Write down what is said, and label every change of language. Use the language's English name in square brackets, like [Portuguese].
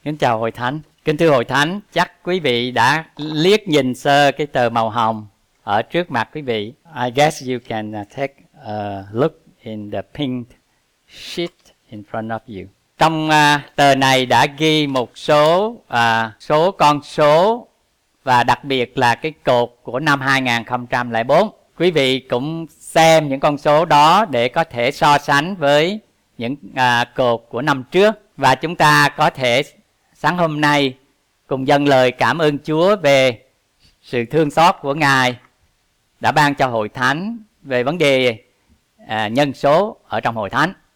[Vietnamese] Kính chào Hội Thánh, kính thưa Hội Thánh, chắc quý vị đã liếc nhìn sơ cái tờ màu hồng ở trước mặt quý vị. [English] I guess you can take a look in the pink sheet in front of you. [Vietnamese] Trong tờ này đã ghi một số số con số và đặc biệt là cái cột của năm 2004. Quý vị cũng xem những con số đó để có thể so sánh với những cột của năm trước, và chúng ta có thể sáng hôm nay cùng dâng lời cảm ơn Chúa về sự thương xót của Ngài đã ban cho Hội Thánh về vấn đề nhân số ở trong Hội Thánh.